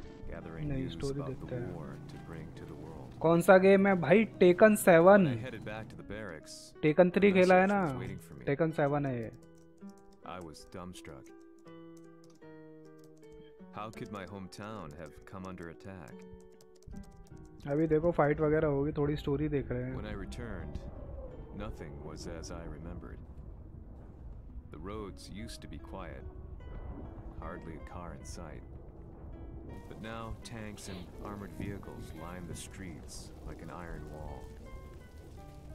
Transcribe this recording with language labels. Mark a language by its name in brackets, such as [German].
[English] Gathering news about the war to bring to the world. [Hindi] कौन सा game है भाई? Tekken 7. [English] I headed back to the barracks. [Hindi] Tekken 3 खेला है ना? Tekken 7 है ये. [English] I was dumbstruck. How could my hometown have come under attack? [Hindi] अभी देखो फाइट वगैरह होगी, थोड़ी स्टोरी देख रहे हैं। [English] When I returned, nothing was as I remembered. The roads used to be quiet, hardly a car in sight. But now tanks and armored vehicles lined the streets like an iron wall.